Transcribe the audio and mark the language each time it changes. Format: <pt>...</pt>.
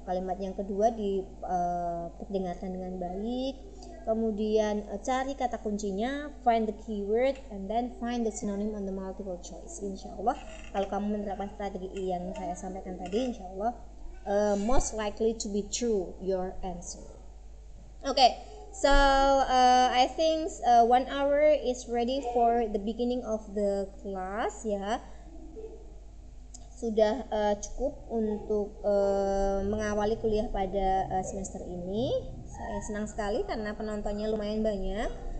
<id>Kalimat yang kedua diperdengarkan dengan baik. Kemudian cari kata kuncinya,</id> <en>find the keyword, and then find the synonym on the multiple choice.</en> <id>Insya Allah, kalau kamu menerapkan strategi yang saya sampaikan tadi, insya Allah,</id> <en>most likely to be true your answer. Okay. So, I think 1 hour is ready for the beginning of the class, ya.</en> <id>Sudah cukup untuk mengawali kuliah pada semester ini. Saya senang sekali karena penontonnya lumayan banyak.</id>